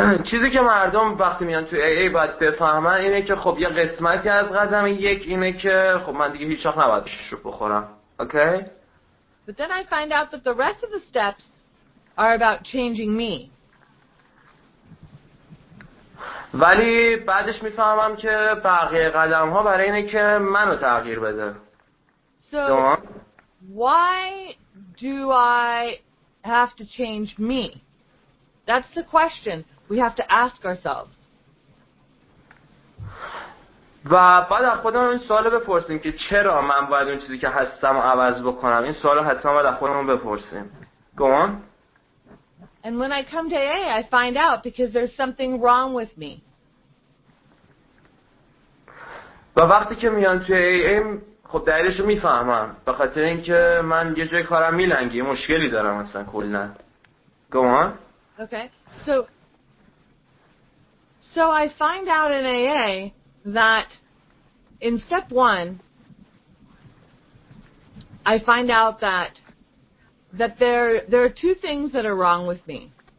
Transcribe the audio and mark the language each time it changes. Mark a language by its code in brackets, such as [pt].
[fa] چیزی که مردم وقتی میان تو AA باید بفهمن اینه که خب یه قسمتی از قدم یک اینه که خب من دیگه هیچ وقت نباید شروع بخورم. [en] Okay. But then I find out that the rest of the steps are about changing me. [fa] ولی بعدش میفهمم که بقیه قدم‌ها برای اینه که منو تغییر بده. [en] So why do I have to change me? That's the question we have to ask ourselves. [fa] و بعد از خودمون این سوالو بپرسیم که چرا من باید اون چیزی که هستم عوض بکنم. این سوالو حتما باید از خودمون بپرسیم. [en] Go on. And when I come to AA, I find out because there's something wrong with me. [fa] و وقتی که میان توی AA خب دلیلشو میفهمم. به خاطر اینکه من یه جای کارم میلنگه، مشکلی دارم مثلا کلا. [en] Go on. Okay. So I find out in AA that in step one, I find out that there are two things that are wrong with me.